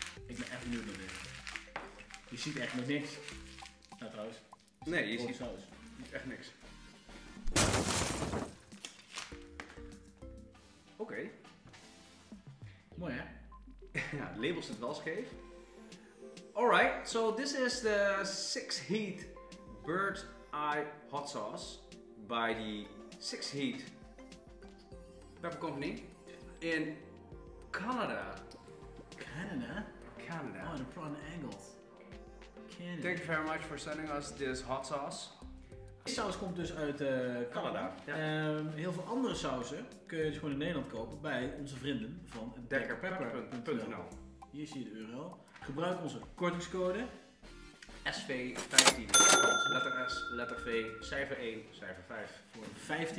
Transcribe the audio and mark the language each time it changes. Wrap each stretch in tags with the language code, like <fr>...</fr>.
<nl>Ik ben echt benieuwd naar dit. Je ziet echt nog niks. Nou trouwens. Nee, je ziet saus. Echt niks. Oké. Okay. Mooi hè? Ja, het label zit wel scheef.</nl> <en>Alright, so this is the 6 Heat Bird's Eye Hot Sauce by the 6 Heat Pepper Company in Canada. Canada? Oh, the prawn angles. Canada. Thank you very much for sending us this hot sauce.</en> <nl>Deze saus komt dus uit Canada. Ja. Heel veel andere sauzen kun je dus gewoon in Nederland kopen bij onze vrienden van DekkerPepper.nl. Hier zie je de euro. Gebruik onze kortingscode SV15, letter S, letter V, cijfer 1, cijfer 5.</nl>